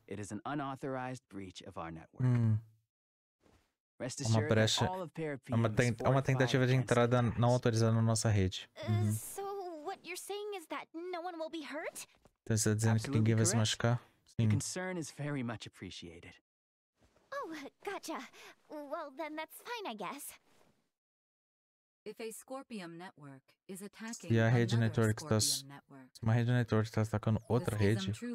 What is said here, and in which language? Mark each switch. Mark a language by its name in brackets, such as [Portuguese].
[English] It is an unauthorized breach of our network. [Portuguese] Uma brecha. É uma tentativa de entrada não autorizada na nossa rede. [English] So what you're saying is that no one will be hurt? [Portuguese] Então você está dizendo que ninguém vai se machucar? Sim. [English] Concern is very much appreciated. Oh, gotcha. Well, then that's fine, I guess. If a Scorpion network is attacking [Portuguese] a rede network, uma rede network está atacando outra rede.